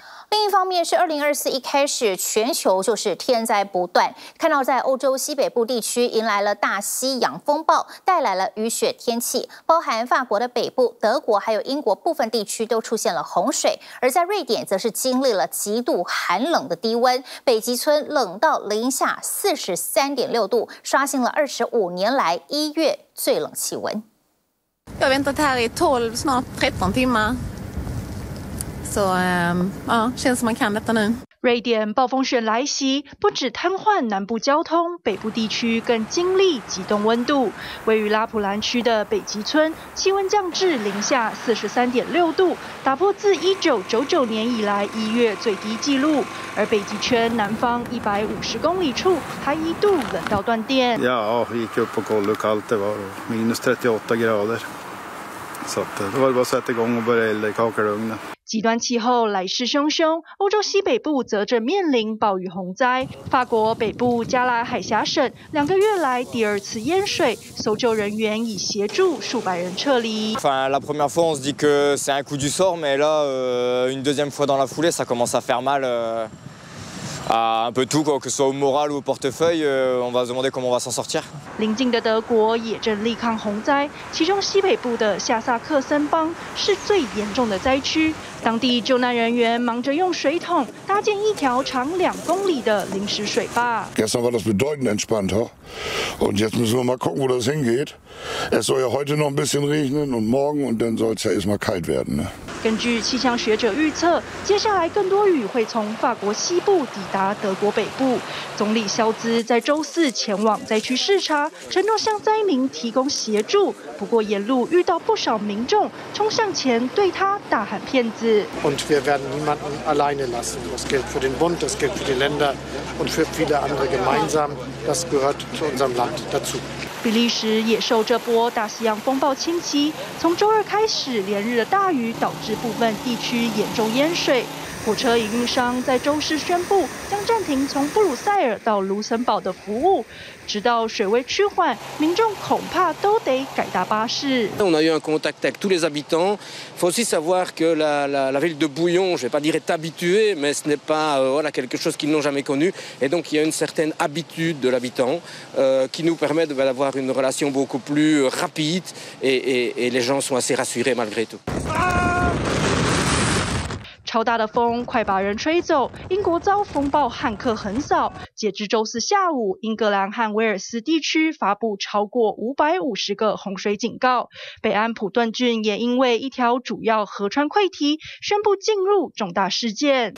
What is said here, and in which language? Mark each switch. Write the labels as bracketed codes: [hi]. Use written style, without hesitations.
[zh] 另一方面，是2024一开始全球就是天灾不断，看到在欧洲西北部地区迎来了大西洋风暴，带来了雨雪天气，包含法国的北部、德国还有英国部分地区都出现了洪水，而在瑞典则是经历了极度寒冷的低温，北极村冷到-43.6度，刷新了25年来一月最冷气温。 [sv] Jag väntat här i 12 snart 13 timmar [zh] 所以，现在什么看得到呢？瑞典暴风雪来袭，不止瘫痪南部交通，北部地区更经历极冻温度。位于拉普兰区的北极村，气温降至-43.6°，打破自1999年以来一月最低纪录。而北极圈南方150公里处，还一度冷到断电。 [sv] Ja, gick upp och kollade kallt det var -38°. Så det var bara sätta igång och börja elda i kakelugnen. [zh] 极端气候来势汹汹，欧洲西北部则正面临暴雨洪灾。法国北部加拉海峡省两个月来第二次淹水，搜救人员已协助数百人撤离。 [fr] Enfin, la première fois, on se dit que c'est un coup du sort, mais là, une deuxième fois dans la foulée, ça commence à faire mal. Un peu tout, quoi, que ce soit au moral ou au portefeuille, on va se demander comment on va s'en sortir. [zh] 邻近的德国也正力抗洪灾，其中西北部的下萨克森邦是最严重的灾区。当地救难人员忙着用水桶搭建一条长2公里的临时水坝。 [de] Gestern war das bedeutend entspannter, und jetzt müssen wir mal gucken, wo das hingeht. Es soll ja heute noch ein bisschen regnen und morgen, und dann soll es ja erstmal kalt werden. [zh] 根据气象学者预测，接下来更多雨会从法国西部抵达德国北部。总理肖兹在周四前往灾区视察，承诺向灾民提供协助。不过沿路遇到不少民众冲向前对他大喊“骗子”。 [de] Und wir werden niemanden alleine lassen. Das gilt für den Bund, das gilt für die Länder und für viele andere gemeinsam. Das gehört zu unserem Land dazu. [zh] 比利时也受这波大西洋风暴侵袭，从周二开始，连日的大雨导致部分地区严重淹水。火车营运商在周四宣布将暂停从布鲁塞尔到卢森堡的服务，直到水位趋缓，民众恐怕都得改搭巴士。 [fr] On a eu un contact avec tous les habitants. Faut aussi savoir que la ville de Bouillon, je vais pas dire est habituée, mais ce n'est pas voilà quelque chose qu'ils n'ont jamais connu. Et donc il y a une certaine habitude de l'habitant qui nous permet de avoir une relation beaucoup plus rapide et les gens sont assez rassurés malgré tout. [zh] 超大的风快把人吹走，英国遭风暴汉克横扫。截至周四下午，英格兰和威尔斯地区发布超过550个洪水警告。北安普顿郡也因为一条主要河川溃堤，宣布进入重大事件。